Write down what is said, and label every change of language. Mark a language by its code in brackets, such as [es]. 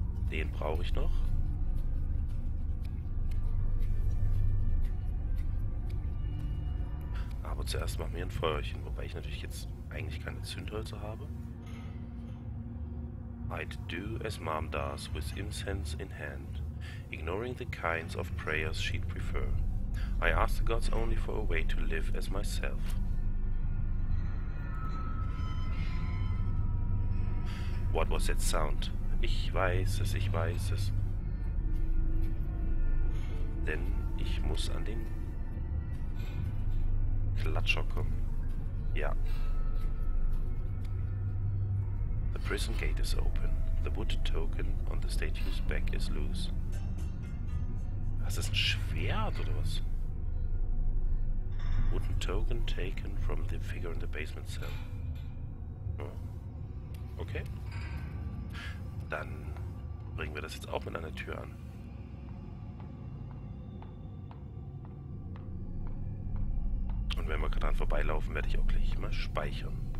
[de] Den brauche ich noch. Aber zuerst machen wir ein Feuerchen, wobei ich natürlich jetzt eigentlich keine Zündhölzer habe. [en] I'd do as Mom does with incense in hand, ignoring the kinds of prayers she'd prefer. I ask the gods only for a way to live as myself. What was that sound? [de] Ich weiß es, ich weiß es. Denn ich muss an den Klatscher kommen. Ja. [en] The prison gate is open. The wood token on the statue's back is loose. [de] Was ist ein Schwert oder was? [en] Wooden token taken from the figure in the basement cell. Okay. [de] Dann bringen wir das jetzt auch mit einer Tür an. Und Und wenn wir gerade dran vorbeilaufen, werde ich auch gleich mal speichern.